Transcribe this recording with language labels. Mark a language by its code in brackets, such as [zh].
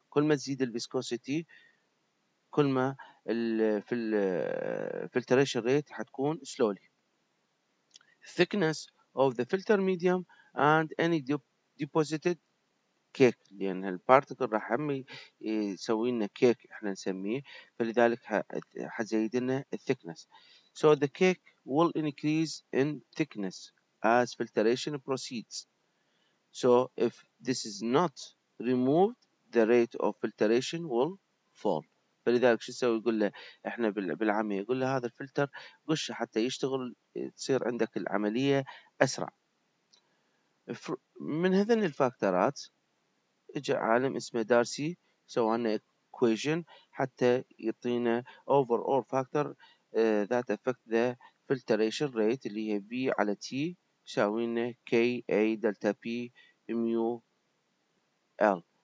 [ar] كل ما تزيد ال viscosity كل ما في ال filtration rate حتكون slowly. [en] Thickness of the filter medium and any deposited cake. [ar] لأن هال particle راح عمي يسوي لنا cake إحنا نسميه. فلذلك حزيد لنا thickness. [en] So the cake will increase in thickness as filtration proceeds. So if this is not removed, the rate of filtration will fall. [ar] فلذلك شو نسوي؟ يقول له احنا بالعاميه يقول له هذا الفلتر قشه حتى يشتغل تصير عندك العمليه اسرع. من هذين الفاكتورات اجى عالم اسمه دارسي سوى لنا equation حتى يعطينا [en] over all factor that affect the filtration rate [ar] اللي هي بي على تي يساوي لنا كي اي دلتا بي ميو L.